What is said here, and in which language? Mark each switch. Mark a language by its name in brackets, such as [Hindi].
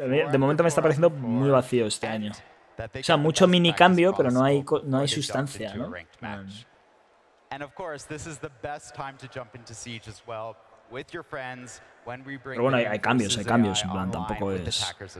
[Spanish] De momento me está pareciendo muy vacío este año. O sea, mucho mini cambio, pero no hay sustancia, ¿no? [English] And of course, this is the best time to jump into Siege as well with your friends when we bring. [Spanish] Pero bueno, hay cambios, en plan, tampoco es.